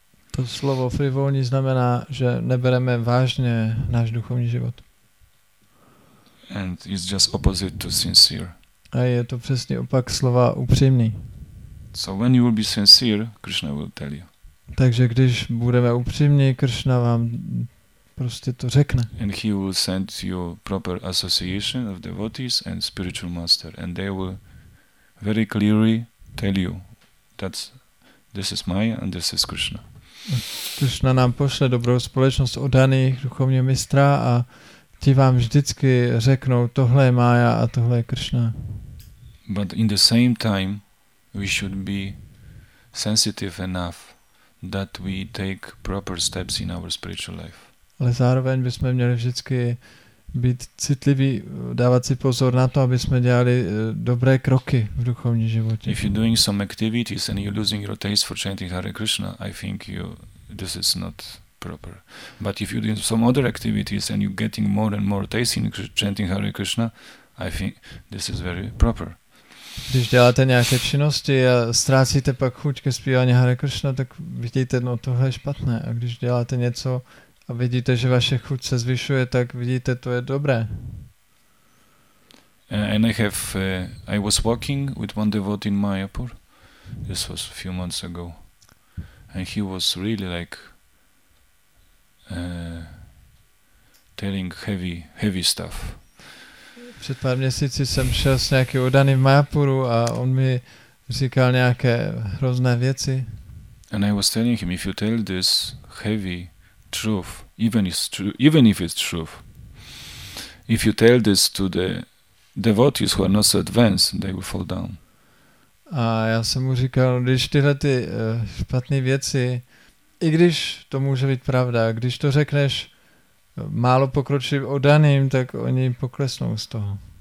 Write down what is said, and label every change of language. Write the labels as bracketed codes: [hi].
[cs] To slovo frivolní znamená, že nebereme vážně náš duchovní život. [en] And it's just opposite to sincere. [cs] A je to přesný opak slova upřímný. [en] So when you will be sincere, Krishna will tell you. [cs] Takže když budeme upřímní, Krishna vám prostě to řekne. [en] And he will send you proper association of devotees and spiritual master, and they will very clearly tell you that this is Maya and this is Krishna. [cs] Krishna nám pošle dobrou společnost oddaných duchovního mistra a ti vám vždycky řeknou, tohle je Maya a tohle je Krishna. [en] But in the same time, we should be sensitive enough that we take proper steps in our spiritual life. [cs] Ale zároveň bychom měli vždycky být citliví, dávat si pozor na to, aby jsme dělali dobré kroky v duchovním životě. [en] If you're doing some activities and you're losing your taste for chanting Hare Krishna, I think this is not proper. But if you're doing some other activities and you're getting more and more taste in chanting Hare Krishna, I think this is very proper. [cs] Když děláte nějaké činnosti a ztrácíte pak chuť ke zpívání Hare Krishna, tak vidíte, no tohle je špatné. A když děláte něco a vidíte, že vaše chuť se zvyšuje, tak vidíte, to je dobré. [en] And I was walking with one devotee in Mayapur. This was a few months ago. And he was really like telling heavy stuff. [cs] Před pár měsíci jsem šel s nějakým oddaným v Mayapuru a on mi říkal nějaké hrozné věci. [en] And I was telling him, if you tell this heavy truth, even if it's true, if you tell this to the devotees who are not so advanced, they will fall down. [cs] A já jsem mu říkal, když tyhle ty špatné věci, i když to může být pravda, když to řekneš málo pokročit oddaným, tak oni poklesnou z toho.